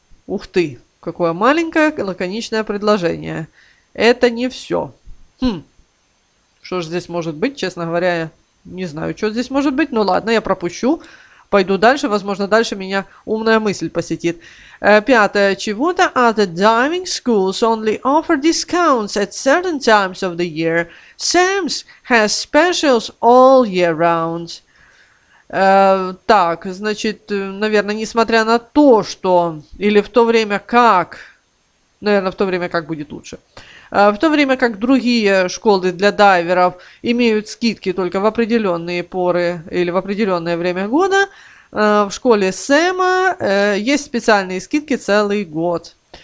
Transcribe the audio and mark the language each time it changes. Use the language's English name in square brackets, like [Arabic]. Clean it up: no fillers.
[Russian] Ух ты, какое маленькое лаконичное предложение. Это не все. Что же здесь может быть, честно говоря, Не знаю, что здесь может быть. Ну ладно, я пропущу. Пойду дальше. Возможно, дальше меня умная мысль посетит. Пятое. Чего-то [English] at the diving schools only offer discounts at certain times of the year. Sam's has specials all year round. [Russian] Так, значит, наверное, несмотря на то, что... Или в то время как... Наверное, в то время как будет лучше. В то время как другие школы для дайверов имеют скидки только в определенные поры или в определенное время года, в школе Сэма есть специальные скидки целый год.